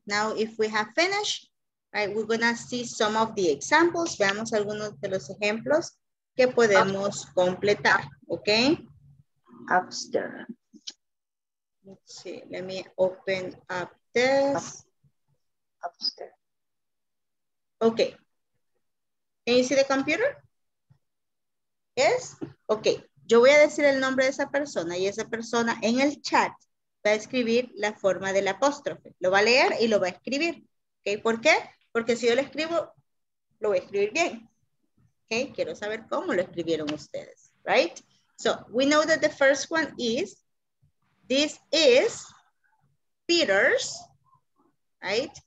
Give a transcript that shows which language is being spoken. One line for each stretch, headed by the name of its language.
English: Now, if we have finished, right, we're going to see some of the examples.
Spanish: Veamos algunos de los ejemplos que podemos completar, okay?
English: Upstairs. Let's see, let me open up this. Upstairs. Okay. Can you see the computer? Yes?
Spanish: Ok, yo voy a decir el nombre de esa persona y esa persona en el chat va a escribir la forma del apóstrofe. Lo va a leer y lo va a escribir. Okay. ¿Por qué? Porque si yo lo escribo, lo voy a escribir bien. Okay. Quiero saber cómo lo escribieron ustedes. Right?
English: So, we know that the first one is, this is Peter's, right?